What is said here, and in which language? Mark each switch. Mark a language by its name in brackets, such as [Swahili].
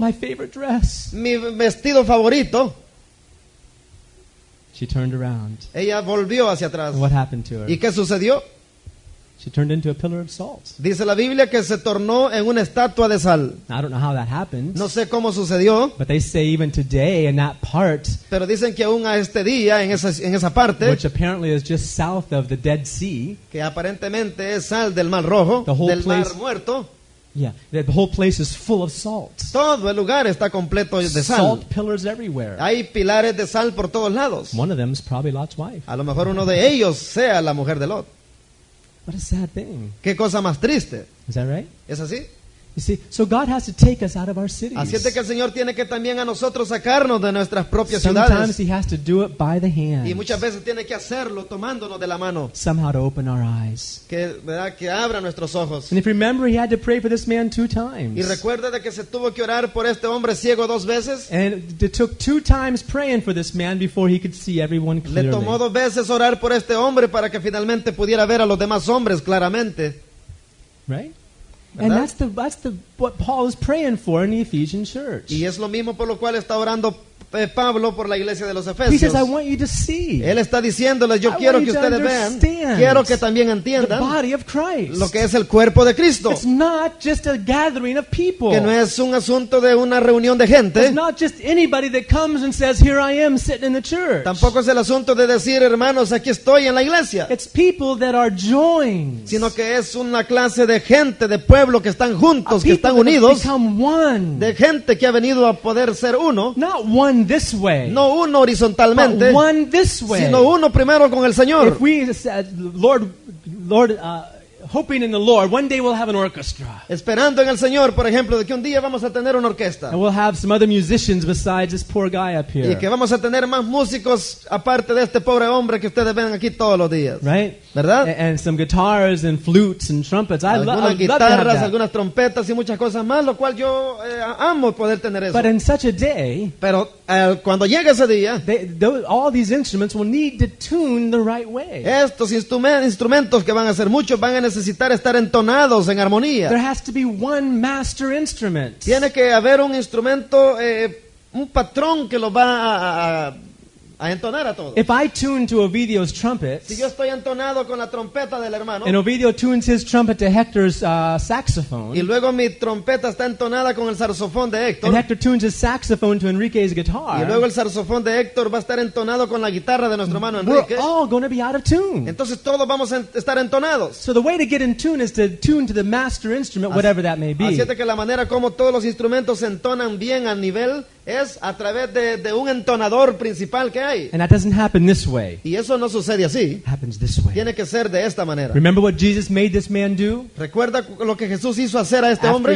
[English] my favorite dress." [Spanish] Mi vestido favorito. [English] She turned around. [Spanish] Ella volvió hacia atrás. [English] What happened to her? [Spanish] ¿Y qué sucedió? [English] She turned into a pillar of salt. [Spanish] Dice la Biblia que se tornó en una estatua de sal. [English] I don't know how that happened. [Spanish] No sé cómo sucedió. [English] But they say even today in that part. [Spanish] Pero dicen que aún a este día en esa parte. [English] Which apparently is just south of the Dead Sea. [Spanish] Que aparentemente es sal del Mar Rojo, del [English] place, [Spanish] Mar Muerto. [English] Yeah, the whole place is full of salt. [Spanish] Todo el lugar está completo de sal. [English] Salt pillars everywhere. [Spanish] Hay pilares de sal por todos lados. [English] One of them is probably Lot's wife. [Spanish] A lo mejor uno de ellos sea la mujer de Lot. [English] What a sad thing. [Spanish] ¿Qué cosa más triste? [English] Is that right? [Spanish] ¿Es así? [English] You see, so God has to take us out of our cities. [Spanish] Así es que el Señor tiene que también a nosotros sacarnos de nuestras propias [English] Sometimes [Spanish] ciudades. [English] Sometimes He has to do it by the hand. [Spanish] Y muchas veces tiene que hacerlo tomándonos de la mano. [English] Somehow to open our eyes. [Spanish] Que, ¿verdad? Que abra nuestros ojos. [English] And if you remember, He had to pray for this man 2 times. [Spanish] Y recuerda de que se tuvo que orar por este hombre ciego 2 veces. [English] And it took 2 times praying for this man before he could see everyone clearly. [Spanish] Le tomó 2 veces orar por este hombre para que finalmente pudiera ver a los demás hombres claramente. [English] Right? And that's what Paul is praying for in the Ephesian church. [Spanish] Y es lo mismo por lo cual está orando Pablo por la iglesia de los Efesios. [English] He says, "I want you to see." [Spanish] Él está diciéndoles, yo quiero que ustedes vean. Quiero que también entiendan. [English] The body of Christ. [Spanish] Lo que es el cuerpo de Cristo. [English] It's not just a gathering of people. [Spanish] Que no es un asunto de una reunión de gente. [English] It's not just anybody that comes and says, "Here I am, sitting in the church." [Spanish] Tampoco es el asunto de decir, hermanos, aquí estoy en la iglesia. [English] It's people that are joined. [Spanish] Sino que es una clase de gente, de pueblo que están juntos, a que están unidos. [English] Become one. [Spanish] De gente que ha venido a poder ser uno. [English] Not one. This way, [Spanish] no uno horizontalmente, [English] but one this way, [Spanish] sino uno primero con el Señor. [English] If we said, Lord, hoping in the Lord, one day we'll have an orchestra. [Spanish] Esperando en el Señor, por ejemplo, de que un día vamos a tener una orquesta. [English] And we'll have some other musicians besides this poor guy up here. [Spanish] Y que vamos a tener más músicos aparte de este pobre hombre que ustedes ven aquí todos los días. [English] Right? [Spanish] ¿Verdad? [English] And some guitars and flutes and trumpets. [Spanish] Algunas guitarras, algunas trompetas y muchas cosas más, lo cual yo amo poder tener eso. [English] But in such a day, [Spanish] pero cuando llegue ese día, [English] all these instruments will need to tune the right way. [Spanish] Estos instrumentos que van a ser muchos van a necesitar estar entonados en armonía. [English] There has to be one master instrument. [Spanish] Tiene que haber un instrumento, un patrón que lo va a entonar a todos. [English] If I tune to Ovidio's trumpet, [Spanish] si yo estoy entonado con la trompeta del hermano, [English] and Ovidio tunes his trumpet to Hector's saxophone, [Spanish] y luego mi trompeta está entonada con el saxofón de Héctor, [English] and Hector tunes his saxophone to Enrique's guitar, [Spanish] y luego el saxofón de Héctor va a estar entonado con la guitarra de nuestro hermano Enrique, [English] we're all going to be out of tune. [Spanish] Entonces todos vamos a estar entonados. [English] So the way to get in tune is to tune to the master instrument, whatever that may be. [Spanish] Así es que la manera como todos los instrumentos se entonan bien a nivel es a través de un entonador principal que ahí. [English] And that doesn't happen this way. [Spanish] Y eso no sucede así. [English] It happens this way. [Spanish] Tiene que ser de esta manera. [English] Remember what Jesus made this man do? [Spanish] ¿Recuerda lo que Jesús hizo hacer a este [English] After [Spanish] hombre?